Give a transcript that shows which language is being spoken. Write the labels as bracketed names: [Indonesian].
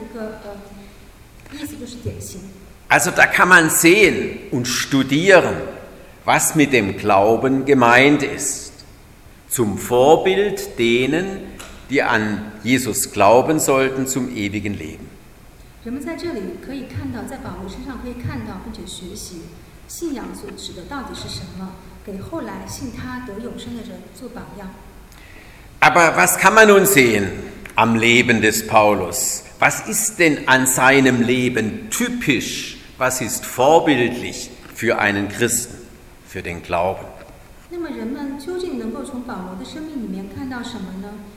[Chinese] 这一个榜样这个词的希腊文叫hypotypos，然后这个地方如果大家仔细听的话呢，就可以听到typ这个词。typ呢就是典型的意思，那么就是说在这个地方存在着一个意思就是典型。 [German] Also da kann man sehen und studieren, was mit dem Glauben gemeint ist. Zum Vorbild denen, die an Jesus glauben sollten, zum ewigen Leben. [Chinese] 人们在这里可以看到，在保罗身上可以看到，并且学习信仰所指的到底是什么，给后来信他得永生的人做榜样。 [German] Aber was kann man nun sehen am Leben des Paulus? Was ist denn an seinem Leben typisch? Was ist vorbildlich für einen Christen, für den Glauben? [Chinese] 那么人们究竟能够从保罗的生命里面看到什么呢？